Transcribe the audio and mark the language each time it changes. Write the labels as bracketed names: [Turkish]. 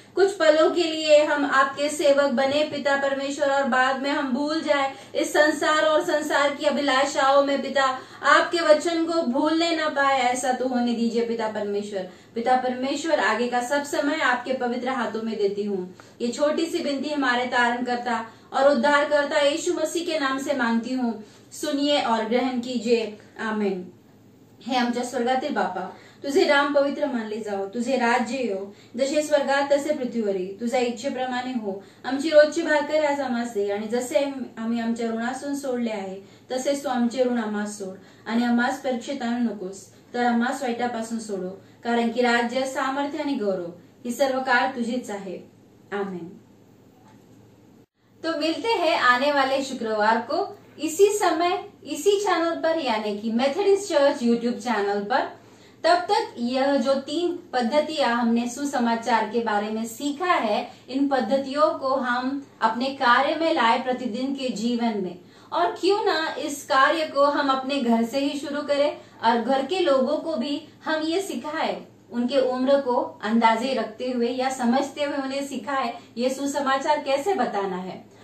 [Hindi] कुछ पलों के लिए हम आपके सेवक बने पिता परमेश्वर, और बाद में हम भूल जाए इस संसार और संसार की अभिलाषाओं में पिता, आपके वचन को भूलने ना पाए, ऐसा तो होने दीजिए पिता परमेश्वर। पिता परमेश्वर, आगे का सब समय आपके पवित्र हाथों में देती हूँ। ये छोटी सी विनती हमारे तारणकर्ता और उद्धारकर्ता यीशु मसीह के नाम से मांगती हूँ, सुनिए और ग्रहण कीजिए, आमीन। [Marathi] हे आमच्या स्वर्गातील बापा, तुझे नाम पवित्र मानले जाओ, तुझे राज्य हो, जसे स्वर्गात तसे पृथ्वीवरी, तुझ्या इच्छेप्रमाणे हो, आमची रोजची भाकर आज आम्हास दे, आणि जसे आम्ही आमच्या ऋणासून सोडले आहे तसेच तू आमचे ऋण आम्हास सोड, आणि आम्हास परीक्षेतून नकोस, तर आम्हास वाईटापासून सोडो, कारण की राज्य सामर्थ्य आणि गौरव ही सर्व काळ तुझीच आहे, आमेन। [Hindi] तो मिलते है आने वाले शुक्रवार को इसी समय इसी चैनल पर, यानी कि मेथोडिस्ट चर्च यूट्यूब चैनल पर। तब तक यह जो तीन पद्धतियां हमने सुसमाचार के बारे में सीखा है, इन पद्धतियों को हम अपने कार्य में लाए प्रतिदिन के जीवन में, और क्यों ना इस कार्य को हम अपने घर से ही शुरू करें और घर के लोगों को भी हम ये सिखाए, उनके उम्र को अंदाजे रखते हुए या समझते हुए उन्हें सिखाए ये सुसमाचार कैसे बताना है,